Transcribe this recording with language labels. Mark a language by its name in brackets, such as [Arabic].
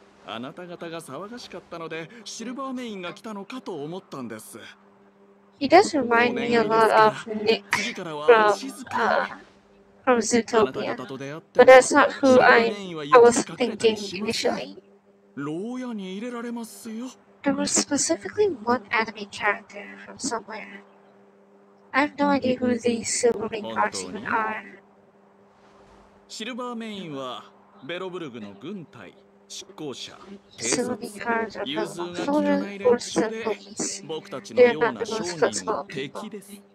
[Japanese] あなた方が騒がしかったのでシルバーメインが来たのかと思ったんです。 [English] He does remind me a lot of Nick from Zootopia, but that's not who I was thinking initially. [Japanese] ローに入れられますよ。 [English] There was specifically one anime character from somewhere. I have no idea who these silver ring guards even are. [Japanese] シルバーメインはベロブルグの軍隊執行者、兵卒、融通が利かない連中で、僕たちのような商人の敵です。